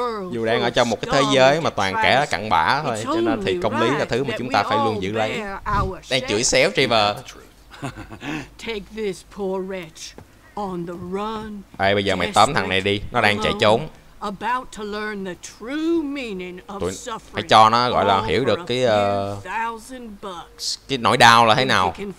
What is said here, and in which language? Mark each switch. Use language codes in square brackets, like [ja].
[vi] Dù đang ở trong một cái thế giới mà toàn kẻ cặn bã thôi, cho nên thì công lý là thứ mà chúng ta phải luôn giữ lấy. Đang chửi xéo Trevor. [en] Take this poor wretch on the run. [vi] Ê, bây giờ mày tóm thằng này đi, nó đang chạy trốn. [en] About to learn the true meaning of suffering. [vi] Phải cho nó gọi là hiểu được cái nỗi đau là thế nào.